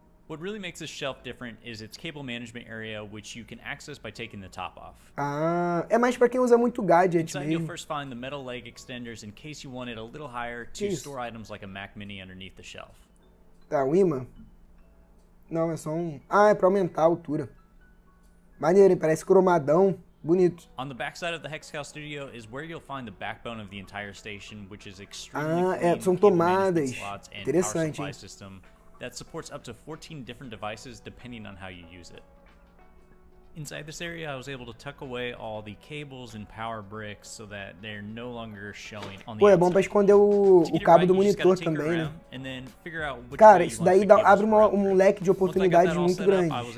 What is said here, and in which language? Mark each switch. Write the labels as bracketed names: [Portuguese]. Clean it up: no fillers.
[English] What really makes this shelf different is its cable management area, which you can access by taking the top off. [Portuguese] Ah, é mais para quem usa muito gadget mesmo. [English] You'll first find the metal leg extenders in case you want it a little higher to store items like a Mac Mini underneath the shelf. [Portuguese] Tá, o ímã. Não, é só um... Ah, é pra aumentar a altura. Maneiro, hein? Parece cromadão. Bonito. [English] On the backside of the Hexcal Studio is where you'll find the backbone of the entire station, which is [Portuguese] são tomadas. Interessante, hein? [English] That supports up to 14 different devices, depending on how you use it. Inside this area, I was able to tuck away all the cables and power bricks so that they're no longer showing on the [Portuguese] Pô, é bom pra esconder o cabo do monitor também, né? Cara, isso daí abre um leque de oportunidades muito grande.